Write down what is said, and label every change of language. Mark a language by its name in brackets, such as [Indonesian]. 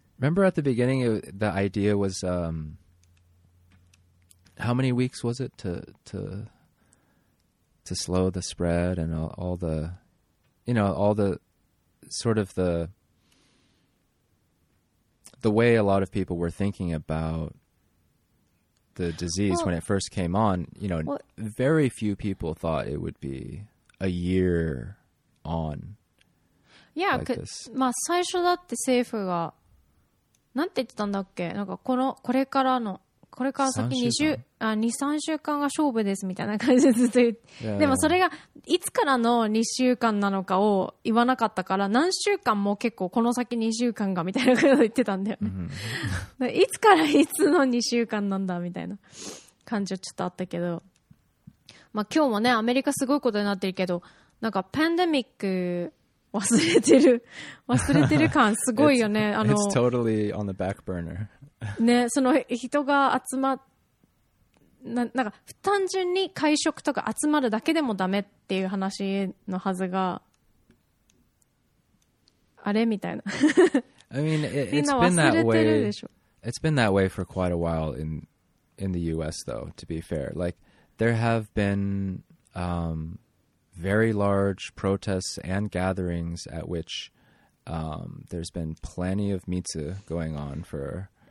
[English] Remember at the beginning, the idea was, how many weeks was it to slow the spread and all the, you know, all the sort of the way a lot of people were thinking about the disease when it first came on, you know, very few people thought it would be a year on. Yeah, like this. [Japanese] まあ最初だって政府がなんて言ってたんだっけ、なんかこれから先に2、3週間が勝負ですみたいな感じでずっと言って、 [English] yeah. [Japanese] でもそれがいつからの2週間なのかを言わなかったから、何週間も結構この先2週間がみたいなことを言ってたんだよ、 [English] mm-hmm. [Japanese] いつからいつの2週間なんだみたいな感じはちょっとあったけど、まあ今日もねアメリカすごいことになってるけど、なんかパンデミック忘れてる感すごいよね。 [English] It's totally on the back burner [Japanese] ね、その人が集まっ、なんか単純に会食とか集まるだけでもダメっていう話のはずが、あれみたいな。 [English] I mean, it's been that way for quite a while in the U.S. though, to be fair. Like, there have been very large protests and gatherings at which there's been plenty of mitsu going on for